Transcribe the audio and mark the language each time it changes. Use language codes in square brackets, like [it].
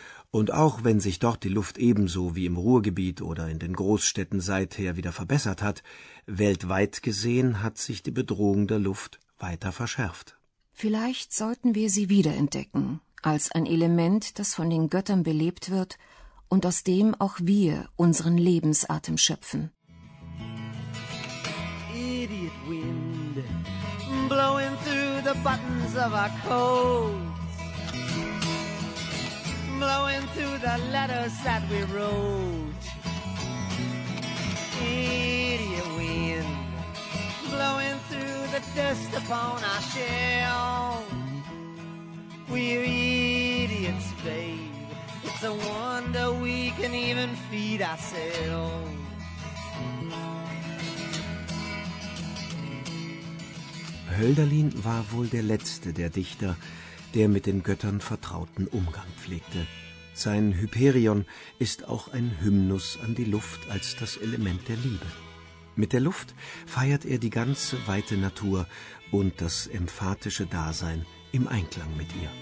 [de] Und auch wenn sich dort die Luft ebenso wie im Ruhrgebiet oder in den Großstädten seither wieder verbessert hat, weltweit gesehen hat sich die Bedrohung der Luft weiter verschärft. Vielleicht sollten wir sie wiederentdecken, als ein Element, das von den Göttern belebt wird und aus dem auch wir unseren Lebensatem schöpfen. [en] Idiot wind, blowing through the buttons of our coats, blowing through the letters that we wrote. Idiot wind, blowing through the dust upon our shell. We're idiots, babe, it's a wonder we can even feed ourselves. [de] Hölderlin war wohl der letzte der Dichter, der mit den Göttern vertrauten Umgang pflegte. Sein Hyperion ist auch ein Hymnus an die Luft als das Element der Liebe. Mit der Luft feiert er die ganze weite Natur und das emphatische Dasein im Einklang mit ihr.